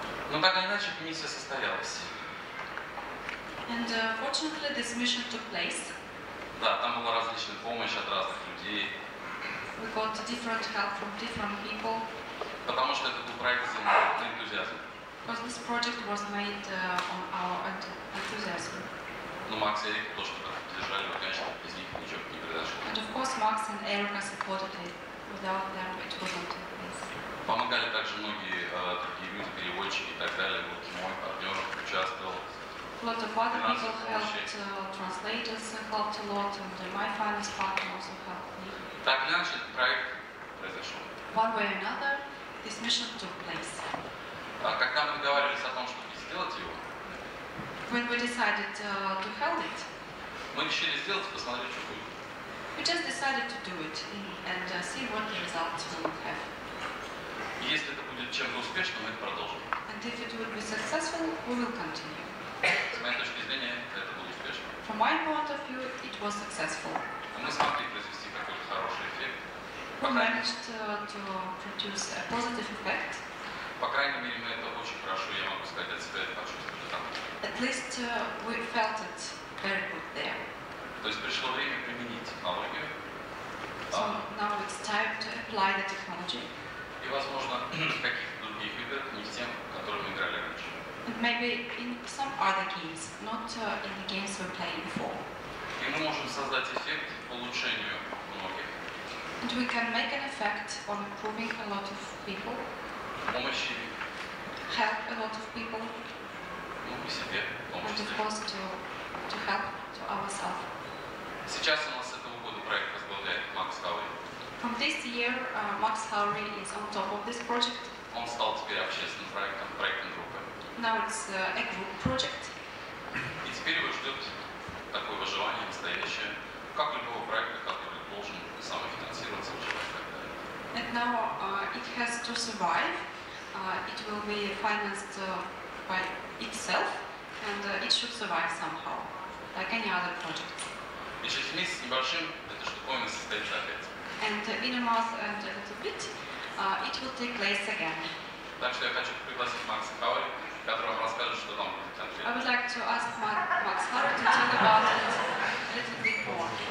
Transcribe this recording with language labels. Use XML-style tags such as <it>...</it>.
<ru>Но так или иначе миссия состоялась.</ru> <en>And fortunately this mission took place.</en> <ru>Да, там была различная помощь от разных людей.</ru> <en>We got different help from different people.</en> <ru>Потому что это был проект на энтузиазме.</ru> <en>Because this project was made on our enthusiasm.</en> <ru>Но Макс и Эрика тоже поддержали, конечно, без них ничего бы не произошло.</ru> <en>And of course Max and Erica supported it. Without them it wouldn't.</en> <ru>Помогали также многие другие люди, переводчики и так далее. Вот мой партнер участвовал.</ru> <en>Lot of other people helped, translators helped a lot, and my finance partner also helped me.</en> <ru>Так или иначе, этот проект произошел.</ru> <en>One way or another, this mission took place.</en> <ru>Когда мы договаривались о том, чтобы сделать его,</ru> <en>when we decided to help it,</en> <ru>мы решили сделать и посмотреть, что будет.</ru> <en>We just decided to do it and see what the results will have.</en> <ru>Если это будет чем-то успешным, мы это продолжим.</ru> <en>And if it will be successful, we will continue.</en> <ru>С моей точки зрения, это было успешно.</ru> <en>From my point of view, it was successful.</en> <ru>Мы смогли произвести какой-то хороший эффект.</ru> <en>We managed to produce a positive effect.</en> <ru>По крайней мере, мы это очень хорошо, я могу сказать, от себя это почувствовали там.</ru> <en>At least we felt it very good there.</en> <ru>То есть пришло время применить технологию.</ru> <en>So now it's time to apply the technology.</en> <ru>И, возможно, каких-то других игр, не тем, которые мы играли раньше.</ru> <en>Maybe in some other games, not in the games we're playing before.</en> <ru>И мы можем создать эффект по улучшению многих.</ru> <en>And we can make an effect on improving a lot of people.</en> <ru>Помощи.</ru> <en>Help a lot of people.</en> <ru>Ну, и себе, помощи.</ru> <en>And of course to help to ourselves.</en> <ru>Сейчас у нас этого года проект возглавляет Макс Хауи.</ru> <en>From this year, Max Howry is on top of this project.</en> <ru>Он стал теперь общественным проектом, проектной группой.</ru> <en>Now it's a group project.</en> <ru>И теперь его ждет такое выживание настоящее, как любого проекта, который должен самофинансироваться, выживать.</ru> <en>And now it has to survive. It will be financed by itself, and it should survive somehow, like any other project.</en> <ru>И через месяц небольшим эта штуковина состоится опять.</ru> <en>And in a month and a little bit, it will take place again.</en> <ru>Так что я хочу пригласить Макса Хауи, который вам расскажет, что там будет конкретно.</ru> <en>I would like to ask Max Hauri to tell about it a little bit more.</en>